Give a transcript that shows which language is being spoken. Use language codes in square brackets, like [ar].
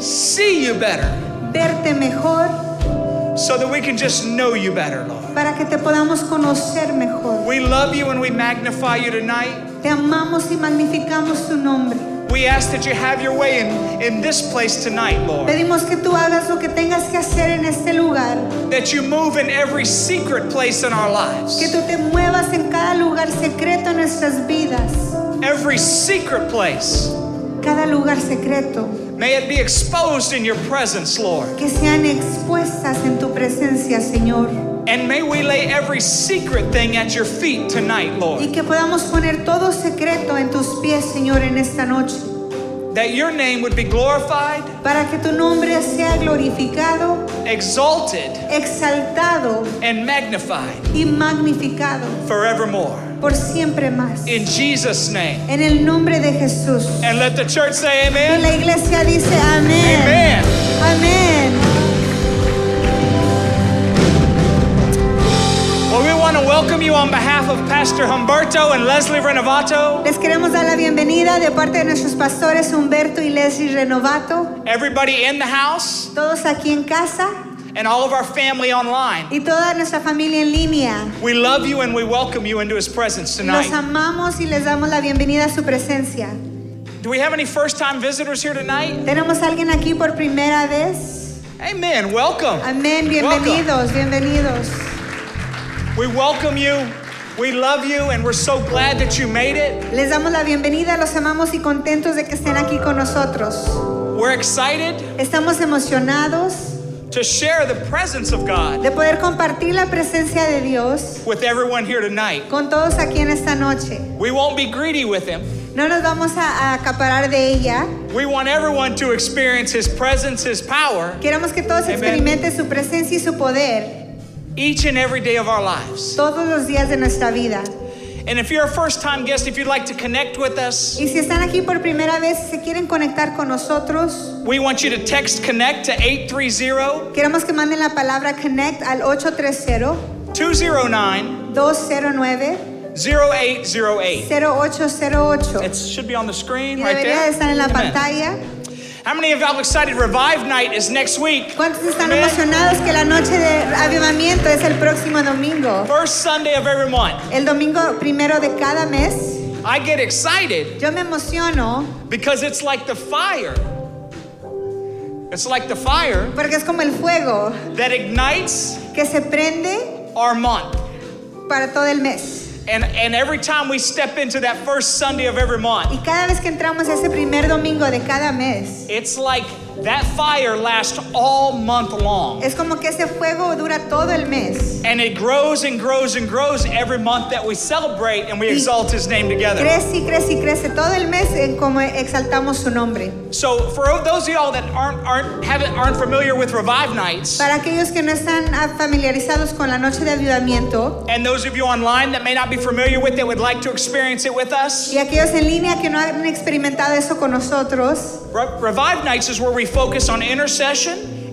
[en] See you better. [es] Verte mejor. [en] So that we can just know you better, Lord. [es] Para que te podamos conocer mejor. [en] We love you and we magnify you tonight. [es] Te amamos y magnificamos tu nombre. [en] We ask that you have your way in this place tonight, Lord. [es] Pedimos que tú hagas lo que tengas que hacer en este lugar. [en] That you move in every secret place in our lives. [es] Que tú te muevas en cada lugar secreto en nuestras vidas. [en] Every secret place. [es] Cada lugar secreto. [en] May it be exposed in your presence, Lord. [es] Que sean expuestas en tu presencia, Señor. [en] And may we lay every secret thing at your feet tonight, Lord. [es] Y que podamos poner todo secreto en tus pies, Señor, en esta noche. [en] That your name would be glorified. [es] Para que tu nombre sea glorificado. [en] Exalted. [es] Exaltado. [en] And magnified. [es] Y magnificado. [en] Forevermore. [es] Por siempre más. [en] In Jesus' name. [es] En el nombre de Jesús. [en] And let the church say amen. [es] Y la iglesia dice amén. [en] Amen. [es] Amen. [en] Well, we want to welcome you on behalf of Pastor Humberto and Leslie Renovato. [es] Les queremos dar la bienvenida de parte de nuestros pastores Humberto y Leslie Renovato. [en] Everybody in the house. [es] Todos aquí en casa. [en] And all of our family online. [es] Y toda nuestra familia en línea. [en] We love you and we welcome you into his presence tonight. [es] Los amamos y les damos la bienvenida a su presencia. [en] Do we have any first-time visitors here tonight? [es] ¿Tenemos alguien aquí por primera vez? [en] Amen. Welcome. [es] Amén. Bienvenidos. [en] Welcome. [es] Bienvenidos. [en] We welcome you. We love you, and we're so glad that you made it. [es] Les damos la bienvenida, los amamos y contentos de que estén aquí con nosotros. [en] We're excited. [es] Estamos emocionados. [en] To share the presence of God. [es] De poder compartir la presencia de Dios. [en] With everyone here tonight. [es] Con todos aquí en esta noche. [en] We won't be greedy with him. [es] No nos vamos a acaparar de ella. [en] We want everyone to experience his presence, his power. [es] Queremos que todos experimenten su presencia y su poder. [en] Each and every day of our lives. [es] Todos los días de nuestra vida. [en] And if you're a first-time guest, if you'd like to connect with us, [es] y si están aquí por primera vez, si quieren conectar con nosotros, [en] we want you to text CONNECT to 830. [es] Queremos que manden la palabra CONNECT al 830. 209-209-0808. [en] It should be on the screen [es] y debería [en] right there. [es] Estar en la pantalla. [en] How many of y'all excited Revive Night is next week? [es] ¿Cuántos están Amen. Emocionados que la noche de avivamiento es el próximo domingo? [en] First Sunday of every month. [es] El domingo primero de cada mes. [en] I get excited. [es] Yo me emociono. [en] Because it's like the fire. It's like the fire. [es] Porque es como el fuego. [en] That ignites. [es] Que se prende. [en] Our month. [es] Para todo el mes. [en] And every time we step into that first Sunday of every month, [es] y cada vez que entramos ese primer domingo de cada mes, [en] it's like that fire lasts all month long. [es] Es como que ese fuego dura todo el mes. [en] And it grows and grows and grows every month that we celebrate and we exalt His name together. [es] Crece y crece y crece todo el mes en como exaltamos su nombre. [en] So for those of y'all that aren't familiar with Revive Nights, [es] para aquellos que no están familiarizados con la noche de avivamiento, [en] and those of you online that may not be familiar with it would like to experience it with us, [es] y aquellos en línea que no han experimentado eso con nosotros, [en] Revive Nights is where we focus on intercession.